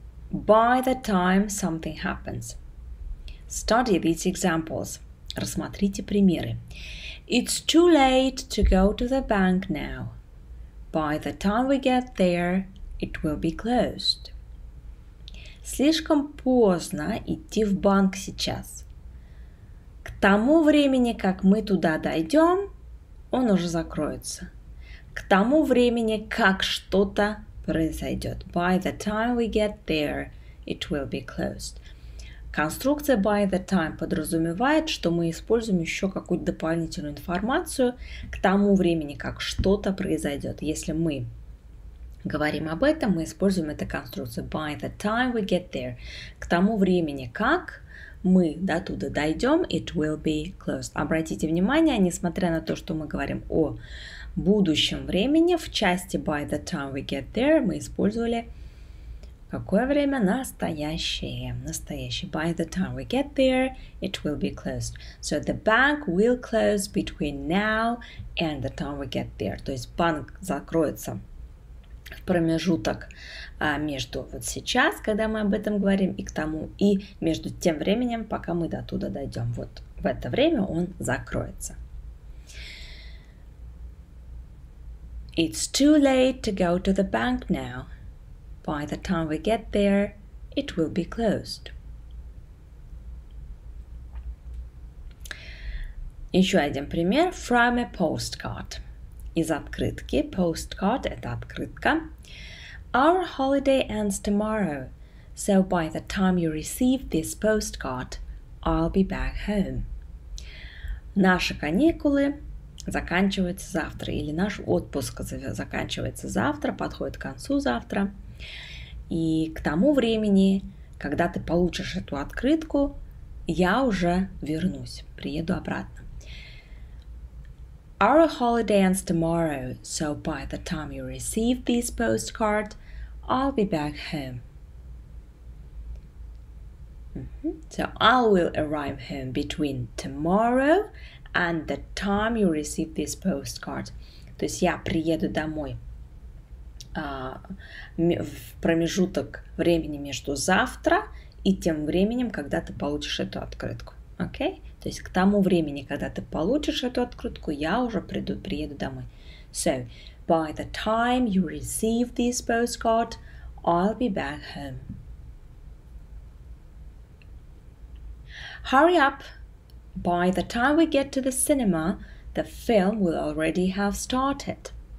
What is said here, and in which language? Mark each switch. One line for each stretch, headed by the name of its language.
English: By the time something happens. Study these examples.
Russian: Рассмотрите примеры.
English: It's too late to go to the bank now. By the time we get there, it will be closed.
Russian: Слишком поздно идти в банк сейчас. К тому времени, как мы туда дойдем, он уже закроется. К тому времени, как что-то произойдет.
English: By the time we get there, it will be closed.
Russian: Конструкция by the time подразумевает, что мы используем еще какую-то дополнительную информацию к тому времени, как что-то произойдет. Если мы говорим об этом, мы используем эту конструкцию
English: by the time we get there.
Russian: К тому времени, как мы до туда дойдем,
English: it will be closed.
Russian: Обратите внимание, несмотря на то, что мы говорим о будущем времени, в части
English: by the time we get there
Russian: мы использовали какое время? Настоящее. Настоящее.
English: By the time we get there, it will be closed. So the bank will close between now and the time we get there.
Russian: То есть банк закроется в промежуток между вот сейчас, когда мы об этом говорим, и к тому, и между тем временем, пока мы до туда дойдем. Вот в это время он закроется.
English: It's too late to go to the bank now. By the time we get there, it will be closed.
Russian: Еще один пример.
English: From a postcard.
Russian: Из открытки. Postcard – это открытка.
English: Our holiday ends tomorrow, so by the time you receive this postcard, I'll be back home.
Russian: Наши каникулы заканчиваются завтра, или наш отпуск заканчивается завтра, подходит к концу завтра. И к тому времени, когда ты получишь эту открытку, я уже вернусь, приеду обратно.
English: Our holiday ends tomorrow, so by the time you receive this postcard, I'll be back home. So I will arrive home between tomorrow and the time you receive this postcard.
Russian: То есть я приеду домой в промежуток времени между завтра и тем временем, когда ты получишь эту открытку.
English: Okay?
Russian: То есть к тому времени, когда ты получишь эту открытку, я уже приеду домой.
English: So, by the time you receive this postcard, I'll be back home. Hurry up! By the time we get to the cinema, the film will already have started.